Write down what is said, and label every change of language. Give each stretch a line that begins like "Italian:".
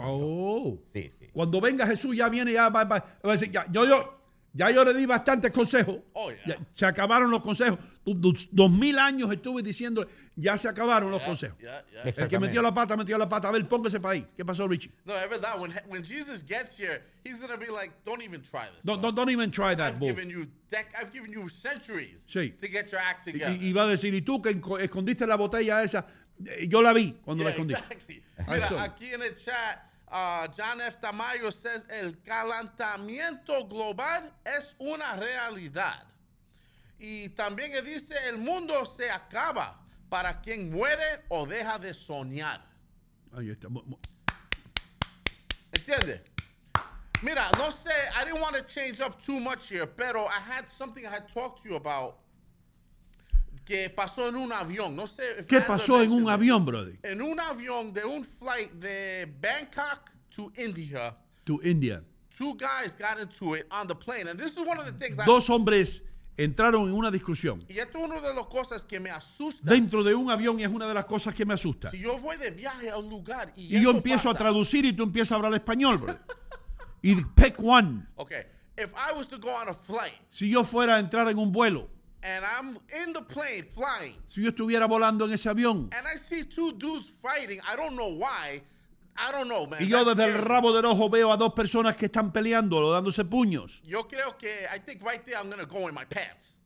English: Wow.
Spanish: Sí, sí. Cuando venga Jesús, ya viene, ya va a decir, ya yo le di bastantes consejos.
English: Oh, yeah.
Spanish: Se acabaron los consejos. 2000 años estuve diciendo, ya se acabaron los consejos.
English: Yeah, yeah, yeah.
Spanish: El que metió la pata, metió la pata. A ver, póngase para ahí. ¿Qué pasó, Richie? No, es verdad.
English: When Jesus gets here, he's going to be like, don't even try this. Don't even try that, bro. I've given you centuries to get your act together.
Spanish: Y va a decir, y tú que escondiste la botella esa, yo la vi cuando la escondí. Exactly. Mira, aquí en el chat, John F. Tamayo says, el calentamiento global es una realidad. Y también dice, el mundo se acaba para quien muere o deja de soñar. Ahí está. ¿Entiendes? Mira, no sé,
English: I didn't want to change up too much here, pero I had something I had talked to you about
Spanish: que pasó en un avión. No sé. ¿Qué pasó en un avión, brody? En un avión de un flight de Bangkok to India.
English: To India. Two guys got into it on the plane. And this is one of the things.
Spanish: Dos hombres entraron en una discusión. Y esto es una de las cosas que me asusta. Dentro de un avión, y es una de las cosas que me asusta. Si yo voy de viaje a un lugar y yo empiezo pasa a traducir y tú empiezas a hablar español, bro.
English: Y pick one. Okay. If I was to go on a flight.
Spanish: Si yo fuera a entrar en un vuelo.
English: And I'm in the plane flying.
Spanish: Si yo estuviera volando en ese avión.
English: And I see two dudes fighting. I don't know why. I don't know, man.
Spanish: Y yo desde el rabo del ojo veo a dos personas que están peleando, dándose puños. Yo creo que,
English: I think right there I'm going to go in my pants.